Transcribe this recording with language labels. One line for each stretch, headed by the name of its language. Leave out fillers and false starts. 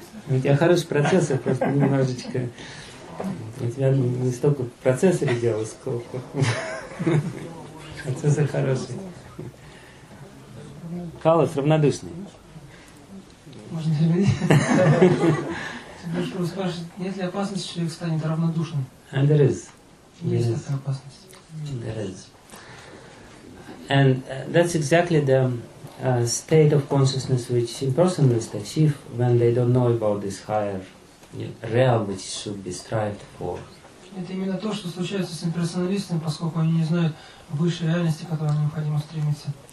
Russian: У тебя хороший процесс, просто немножечко... У тебя не столько процессор дело, сколько процессор хороший. Калос равнодушный. Можно заменить? Тебе что спрашивать, нет ли опасности, что человек станет равнодушным?
English: And there is.
Russian: Есть такая опасность.
English: There is. And that's exactly the state of consciousness which impersonalists achieve when they don't know about this higher realm which should be strived for.
Russian: Это именно то, что случается с имперсоналистами, поскольку они не знают высшей реальности, к которой необходимо стремиться.